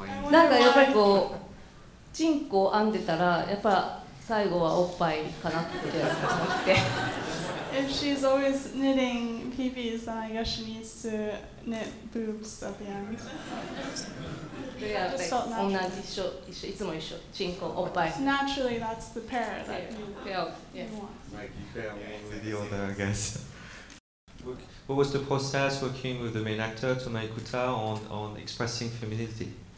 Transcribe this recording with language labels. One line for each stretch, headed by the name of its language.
Japanese: なんかやっぱりこうチンコ編んでたらやっぱ最後はおっぱいかなって思って。
English: If she's always knitting peepees, then I guess she needs to knit boobs at the end.
Japanese: Yeah, 同じ一緒いつも一緒チンコおっぱい。
English: Naturally, that's the pair that you failed. Yeah. Right, you failed with the other, I guess. What was the process working with the main actor Toma Ikuta on expressing femininity?